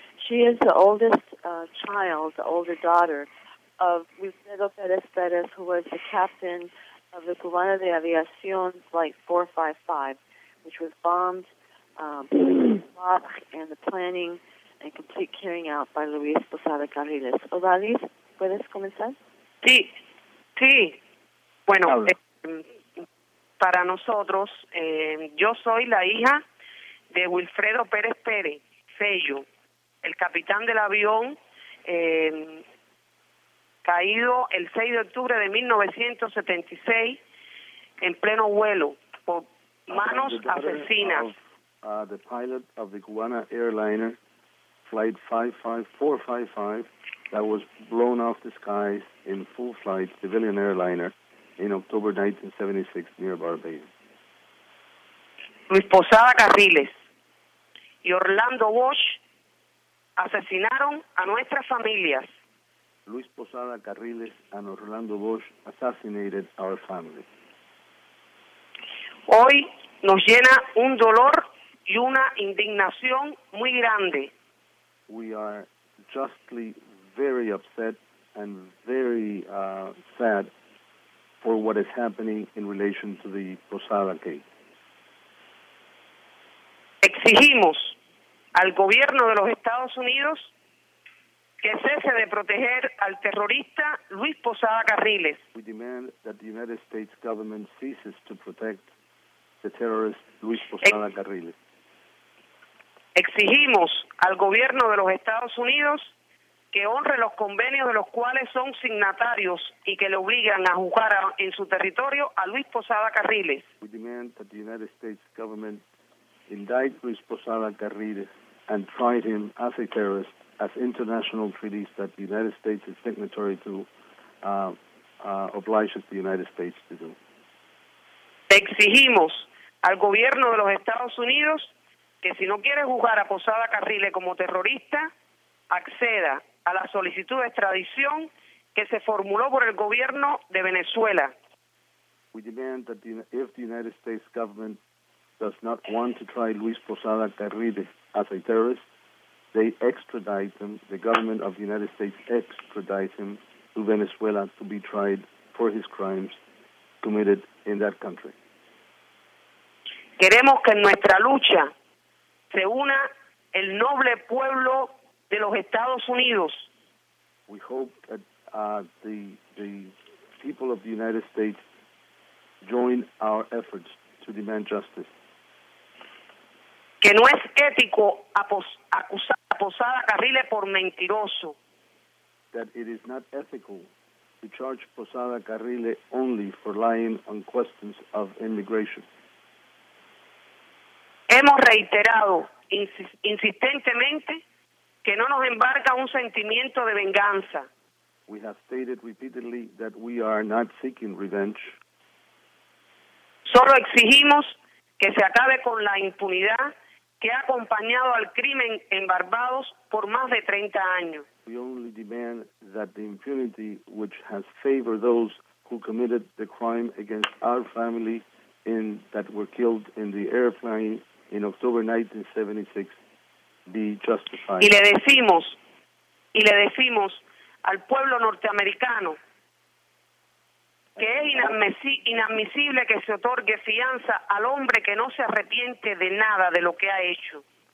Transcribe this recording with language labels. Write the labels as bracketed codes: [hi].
[en] She is the oldest child, the older daughter, of Wilfredo Perez Perez, who was the captain of the Cubana de Aviación Flight 455, which was bombed and the planning and complete carrying out by Luis Posada Carriles. [es] Ovalis, ¿puedes comenzar? Sí, sí. Bueno, para nosotros, yo soy la hija de Wilfredo Perez Perez, Fello, el capitán del avión caído el 6 de octubre de 1976 en pleno vuelo por manos asesinas. [en] The pilot of the Cubana airliner, flight 55455, that was blown off the skies in full flight, civilian airliner, in October 1976 near Barbados. [es] Luis Posada Carriles y Orlando Walsh asesinaron a nuestras familias. [en] Luis Posada Carriles and Orlando Walsh assassinated our family. [es] Hoy nos llena un dolor y una indignación muy grande. [en] We are justly very upset and very sad for what is happening in relation to the Posada case. [es] Exigimos al gobierno de los Estados Unidos que cese de proteger al terrorista Luis Posada Carriles. [en] We demand that the United States government ceases to protect the terrorist Luis Posada Carriles. [es] Exigimos al gobierno de los Estados Unidos que honre los convenios de los cuales son signatarios y que le obligan a juzgar en su territorio a Luis Posada Carriles. [en] We demand that the United States government indict Luis Posada Carriles and try him as a terrorist as international treaties that the United States is signatory to obliges the United States to do. [es] Exigimos al gobierno de los Estados Unidos que si no quiere juzgar a Posada Carriles como terrorista, acceda a la solicitud de extradición que se formuló por el gobierno de Venezuela. [en] We demand that if the United States government does not want to try Luis Posada Carriles as a terrorist, they extradite him, the government of the United States extradites him to Venezuela to be tried for his crimes committed in that country. [es] Queremos que en nuestra lucha se una el noble pueblo de los Estados Unidos. [en] We hope that the people of the United States join our efforts to demand justice. [es] Que no es ético acusar a Posada Carriles por mentiroso. [en] That it is not ethical to charge Posada Carriles only for lying on questions of immigration. [es] Hemos reiterado insistentemente que no nos embarca un sentimiento de venganza. [en] We have stated repeatedly that we are not seeking revenge. [es] Solo exigimos que se acabe con la impunidad que ha acompañado al crimen en Barbados por más de 30 años. [en] We only demand that the impunity which has favored those who committed the crime against our family in that were killed in the airplane in October 1976 be justified. [es] Y le decimos al pueblo norteamericano que es inadmisible que se otorgue fianza al hombre que no se arrepiente de nada de lo que ha hecho.